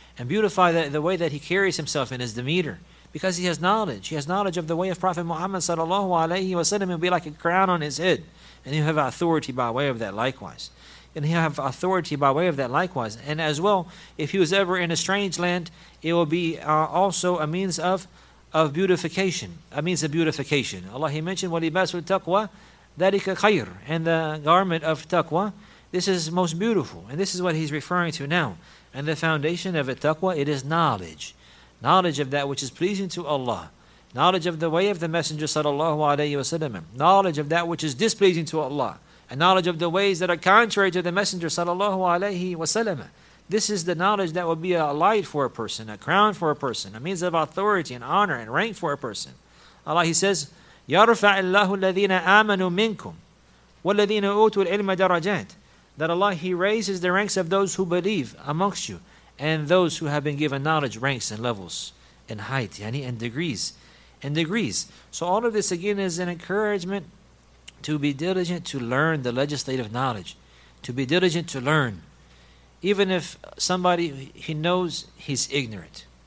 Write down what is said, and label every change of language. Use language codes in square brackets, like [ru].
[en] And beautify the way that he carries himself in his demeanor. Because he has knowledge. He has knowledge of the way of Prophet Muhammad sallallahu alayhi wa sallam. He'll be like a crown on his head. And he'll have authority by way of that likewise. And he'll have authority by way of that likewise. And as well, if he was ever in a strange land, it will be also a means of beautification. A means of beautification. Allah, he mentioned, [ar] وَلِبَاسُ التَّقْوَى ذَلِكَ خَيْرٌ. [en] And the garment of taqwa, this is most beautiful. And this is what he's referring to now. And the foundation of a taqwa, it is knowledge. Knowledge of that which is pleasing to Allah. Knowledge of the way of the Messenger sallallahu alayhi wa sallam. Knowledge of that which is displeasing to Allah. And knowledge of the ways that are contrary to the Messenger sallallahu alayhi wa sallam. This is the knowledge that will be a light for a person, a crown for a person, a means of authority and honor and rank for a person. Allah, he says, [ar] يَرْفَعِ اللَّهُ الَّذِينَ آمَنُوا مِنْكُمْ وَالَّذِينَ أُوتُوا الْعِلْمَ دَرَجَاتٍ. [en] That Allah, he raises the ranks of those who believe amongst you and those who have been given knowledge, ranks and levels and height, yani, and degrees. And degrees. So all of this again is an encouragement to be diligent to learn the legislative knowledge. To be diligent to learn. Even if somebody, he knows he's ignorant.